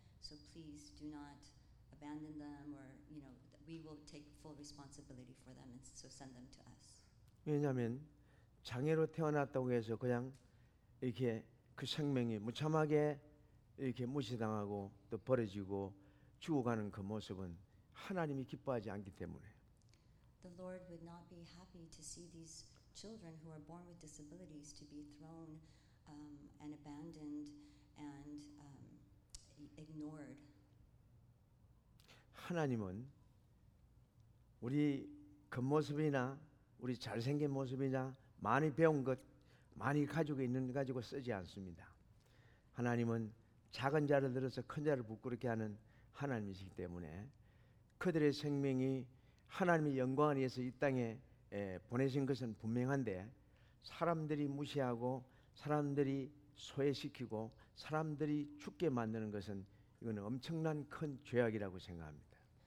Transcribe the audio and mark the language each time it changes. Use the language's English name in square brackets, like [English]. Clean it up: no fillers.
[English] So please do not abandon them, or you know, we will take full responsibility for them, and so send them to us. [Korean] 왜냐하면 장애로 태어났다고 해서 그냥 이렇게 그 생명이 무참하게 이렇게 무시당하고 또 버려지고 죽어가는 그 모습은 하나님이 기뻐하지 않기 때문에. [English] The Lord would not be happy to see these children who are born with disabilities to be thrown and abandoned and ignored. [Korean] 하나님은 우리 겉모습이나 우리 잘생긴 모습이나 많이 배운 것, 많이 가지고 있는 것 가지고 쓰지 않습니다. 하나님은 작은 자를 들어서 큰 자를 부끄럽게 하는 하나님이시기 때문에 그들의 생명이 하나님의 영광을 위해서 이 땅에 보내신 것은 분명한데 사람들이 무시하고 사람들이 소외시키고 사람들이 죽게 만드는 것은 이거는 엄청난 큰 죄악이라고 생각합니다.